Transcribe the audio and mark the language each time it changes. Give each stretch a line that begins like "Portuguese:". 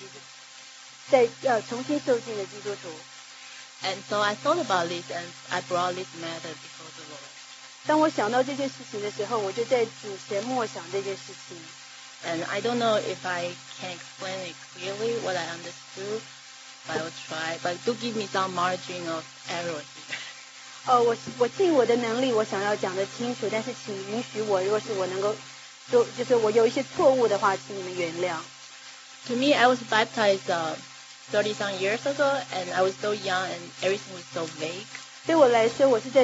Chinese: 这时候有人来跟我讲如何成为一个重生的基督徒,一个受浸重生的基督徒,重新受浸的基督徒。
English: And so I thought about this and I brought this matter before the Lord.
Chinese: 当我想到这件事情的时候,我就在主前默想这件事情。
English: And I don't know if I can explain it clearly what I understood. I will try, but do give me some margin of error.
Chinese: 我尽我的能力，我想要讲的清楚，但是请允许我，如果是我能够，就是我有一些错误的话，请你们原谅。To
English: me, I was baptized 30-some years ago, and I was so young, and everything was so vague.